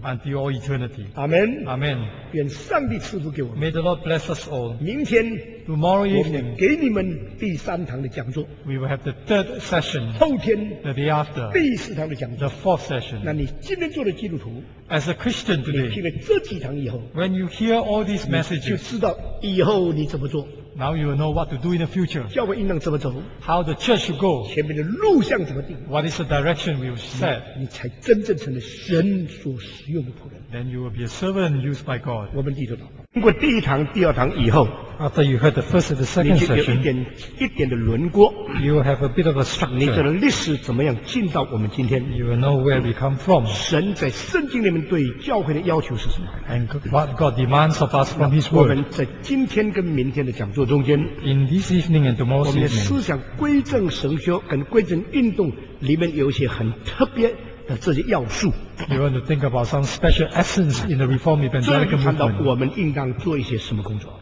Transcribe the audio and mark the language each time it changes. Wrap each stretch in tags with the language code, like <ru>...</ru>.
<en>Until all eternity. Amen. Amen.</en> <zh>愿上帝赐福给我们。</zh> <en>May the Lord bless us all.</en> <zh>明天。</zh> <en>Tomorrow evening,</en> <zh>我们给你们第三堂的讲座。</zh> <en>We will have the third session.</en> <zh>后天</zh> <en>the day after,</en> <zh>第四堂的讲座。</zh> <en>The fourth session.</en> <zh>那你今天做了基督徒。</zh> <en>As a Christian today,</en> <zh>你听了这几堂以后。</zh> <en>When you hear all these messages,</en> <zh>就知道以后你怎么做。</zh> <en>Now you will know what to do in the future.</en> <zh>教会应当怎么走。</zh> <en>How the church should go.</en> <zh>前面的路向怎么定。</zh> <en>What is the direction we will set.</en> <zh>你才真正成了神所使用的仆人。</zh> <en>Then you will be a servant used by God.</en> <zh>我们记住了。通过第一堂、第二堂以后，</zh> <en>After you heard the first and the second session,</en> <zh>你就有一点的轮廓。</zh> <en>You have a bit of a structure.</en> <zh>你知道历史怎么样进到我们今天。</zh> <en>You will know where we come from.</en> <zh>神在圣经里面对教会的要求是什么？</zh> <en>And what God demands of us from His word.</en> <zh>我们在今天跟明天的讲座中间，</zh> <en>In this evening and tomorrow's evening,</en> <zh>我们的思想归正神学跟归正运动里面有一些很特别。的这些要素</zh> <en>，You want to think about some special essence in the Reform Evangelical Movement。</en> <zh>这里谈到我们应当做一些什么工作</zh>